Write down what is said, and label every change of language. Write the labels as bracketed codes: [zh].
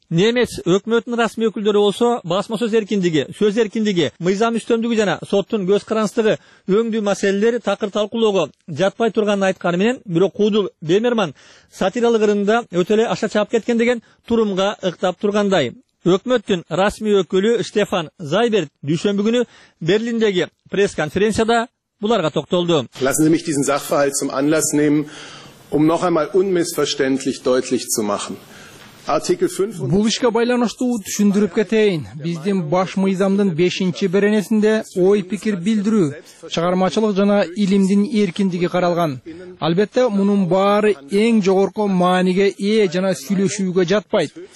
[ky] Немец өкмөтүнүн расмий өкүлдөрү болсо басма сөз эркиндиги, сөз эркиндиги, мыйзам үстөмдүгү жана соттун көз карандысыгы өңдүү маселелер такыр талкуулоого жатпай турганын айтканы менен, бирок куудул Бемерман сатиралык ырында өтө эле аша чаап кеткен деген турумга ыктап тургандай. Өкмөттүн расмий өкүлү Штефан Зайберт дүйшөмбү күнү Берлиндеги пресс конференцияда буларга токтолду. [de] Lassen Sie mich diesen Sachverhalt zum Anlass nehmen, noch einmal unmissverständlich deutlich zu machen. [ky] Бул ишке байланыштуу түшүндүрүп кетейин. Биздин баш мыйзамдын 5-беренесинде ой пикир билдирүү, чыгармачылык жана илимдин эркиндиги каралган. Албетте мунун баары эң жогорку мааниге ээ жана сүйлөшүүгө жатпайт.